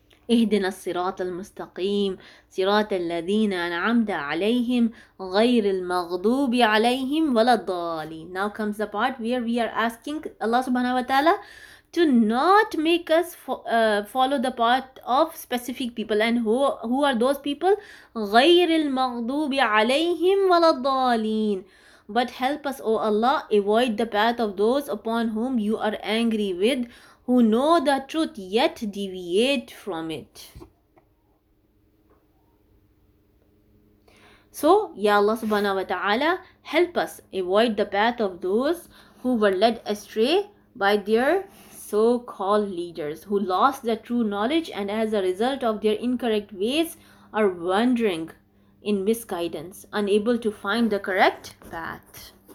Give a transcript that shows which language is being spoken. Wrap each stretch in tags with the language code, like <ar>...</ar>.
<ar>اهدنا الصراط المستقيم صراط الذين أنعمت عليهم غير المغضوب عليهم ولا الضالين.</ar> <en>Now comes the part where we are asking Allah subhanahu wa ta'ala to not make us follow the path of specific people. And who are those people?</en> <ar>غير المغضوب عليهم ولا الضالين.</ar> <en>But help us, O Allah, avoid the path of those upon whom you are angry with, who know the truth yet deviate from it. So, Ya Allah subhanahu wa ta'ala, help us avoid the path of those who were led astray by their so-called leaders, who lost the true knowledge and as a result of their incorrect ways are wandering in misguidance, unable to find the correct path.</en>